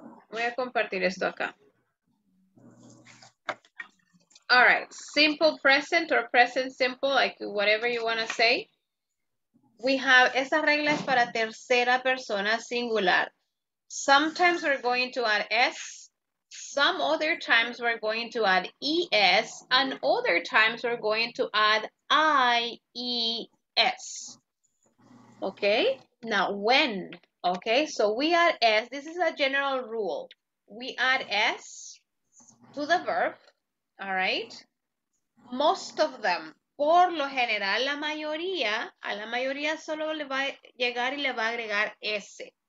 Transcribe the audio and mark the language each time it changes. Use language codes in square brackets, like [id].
[es] Voy a compartir esto acá. [en] All right, simple present or present simple, like whatever you want to say. We have, [es] esa regla es para tercera persona singular. [en] Sometimes we're going to add S. Some other times we're going to add ES, and other times we're going to add IES. Okay, now when, okay? So we add S, this is a general rule. We add S to the verb, all right? [es] Most of them, por lo general, a la mayoría solo le va a llegar y le va a agregar S.